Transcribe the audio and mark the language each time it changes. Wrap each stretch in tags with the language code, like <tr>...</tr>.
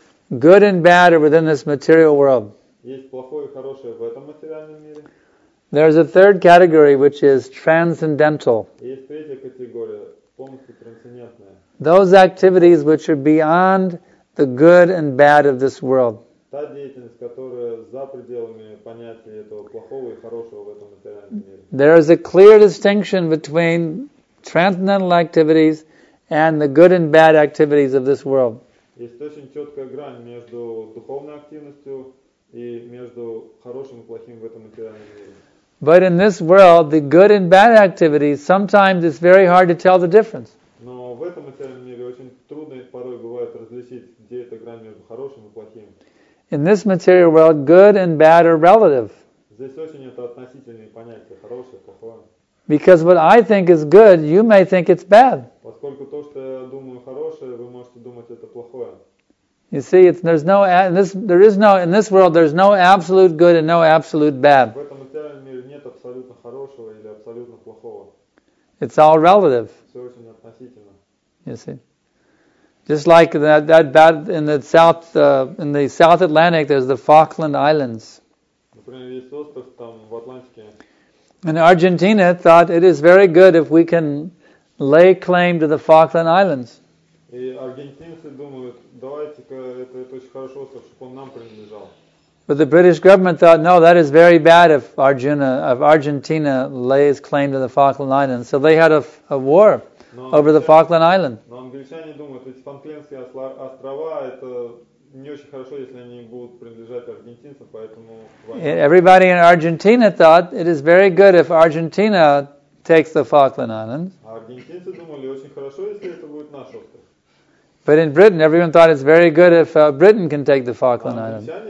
<en>Good and bad are within this material world.</en> <ru>Есть плохое и хорошее в этом материальном мире.</ru> <en>There is a third category which is transcendental.</en> <ru>Есть третья категория, полностью трансцендентная.</ru> <en>Those activities which are beyond the good and bad of this world.</en> <ru>Та деятельность, которая за пределами понятия этого плохого и хорошего в этом материальном мире.</ru> <en>There is a clear distinction between transcendental activities and the good and bad activities of this world.</en> <ru>Есть очень четкая грань между духовной активностью и между хорошим и плохим в этом материальном мире.</ru> <en>But in this world, the good and bad activities, sometimes it's very hard to tell the difference.</en> <ru>Но в этом материальном мире очень трудно порой бывает различить, где эта грань между хорошим и плохим.</ru> <en>In this material world, good and bad are relative.</en> <ru>Здесь очень это относительные понятия, хорошее, плохое.</ru> <en>Because what I think is good, you may think it's bad.</en> <ru>Поскольку то, что я думаю хорошее, вы можете думать это плохое.</ru> <en>You see, there's no absolute good and no absolute bad.</en> <ru>В этом материальном мире нет абсолютно хорошего или абсолютно плохого.</ru> <en>It's all relative.</en> <ru>Все очень относительно.</ru> <en>You see. Just like that bad in the South Atlantic, there's the Falkland Islands.</en> <ru>Например, есть остров там в Атлантике.</ru> <en>And Argentina thought it is very good if we can lay claim to the Falkland Islands.</en> <ru>И аргентинцы думают, давайте-ка это очень хорошо, чтобы он нам принадлежал.</ru> <en>But the British government thought, no, that is very bad if Argentina lays claim to the Falkland Islands. So they had a war over the Falkland Island.</en> <ru>Но англичане думают, эти Фолклендские острова, это не очень хорошо, если они будут принадлежать аргентинцам, поэтому...</ru> <en>Everybody in Argentina thought, it is very good if Argentina takes the Falkland Islands.</en> <ru>А аргентинцы думали, очень хорошо, если это будет наш остров.</ru> <en>But in Britain, everyone thought it's very good if Britain can take the Falkland Islands.</en>